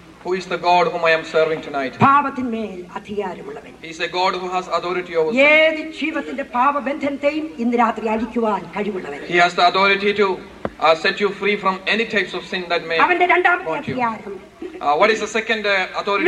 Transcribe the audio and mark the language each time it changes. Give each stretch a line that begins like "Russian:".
English: Who is the God whom I am serving tonight?
Malayalam: പാപത്തിന്മേൽ അധികാരമുള്ളവൻ.
English: He is a God who has authority over sin.
Malayalam: ഏത് ജീവത്തിന്റെ പാപബന്ധനത്തെയും ഇന്ന് രാത്രി അഴിക്കുവാൻ കഴിവുള്ളവൻ.
English: He has the authority to set you free from any types of sin that may.
Malayalam: അവന്റെ രണ്ടാമത്തെ അധികാരം.
English: What is the second authority?